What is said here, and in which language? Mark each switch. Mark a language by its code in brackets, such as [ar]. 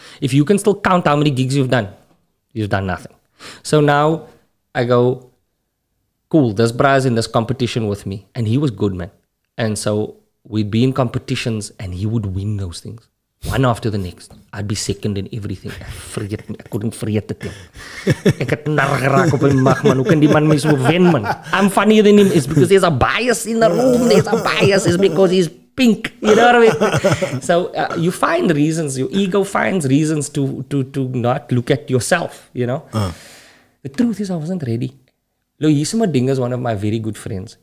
[en] If you can still count how many gigs you've done nothing. So now I go, cool, this bra's in this competition with me. And he was good, man. And so we'd be in competitions and he would win those things. One after the next. I'd be second in everything. I couldn't forget it. [af] Ek het nar geraak op die mag, man. Hoe kan die man my so wen, man? [en] I'm funnier than him. It's because there's a bias in the room. There's a bias. It's because he's pink. You know what I mean? So you find reasons. Your ego finds reasons to not look at yourself, you know? The truth is I wasn't ready. Luis Madinga is one of my very good friends.